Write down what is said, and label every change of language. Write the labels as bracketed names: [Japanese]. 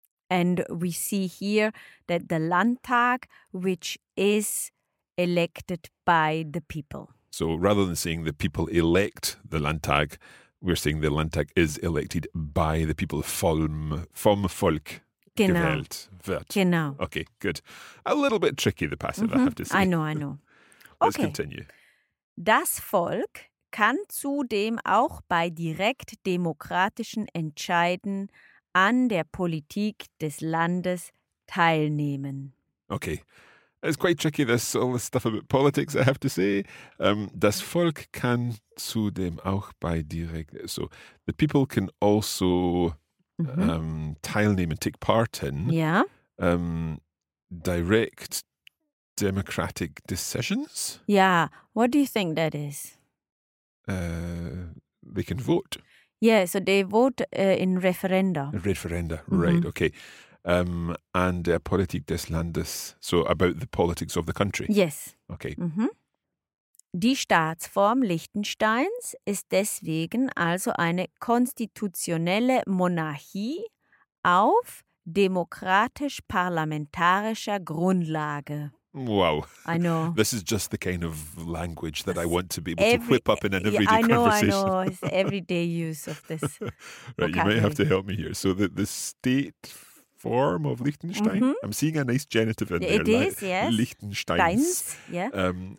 [English] And we see here that the Landtag, which is elected by the people. So rather than saying the people elect the Landtag, we're saying the Landtag is elected by the people [German] vom Volk genau. Gewählt wird. Genau. [English] Okay, good. A little bit tricky, the passive, mm-hmm. I have to say. I know. Let's okay. continue. [German] Das Volk kann zudem auch bei direkt demokratischen Entscheiden an der Politik des Landes teilnehmen. [English] Okay. It's quite tricky, this all this stuff about politics, I have to say. [German] Das Volk kann zudem auch bei direkt... [English] So, the people can also mm-hmm. Teilnehmen, take part in yeah. Direct democratic decisions? Yeah. What do you think that is? They can vote. Yeah, so they vote in referenda. Referenda, right, mm-hmm. okay. And [German] Politik des Landes, [English] so about the politics of the country. Yes. Okay. Mm-hmm. [German] Die Staatsform Liechtensteins ist deswegen also eine konstitutionelle Monarchie auf demokratisch-parlamentarischer Grundlage. [English] Wow. I know. This is just the kind of language that I want to be able to whip up in an everyday I know, conversation. I know. It's everyday use of this. Right, you might have to help me here. So the state... form of Liechtenstein. Mm-hmm. I'm seeing a nice genitive in it there. It is, like, yes. [German] Liechtensteins. [English] Deins, yeah.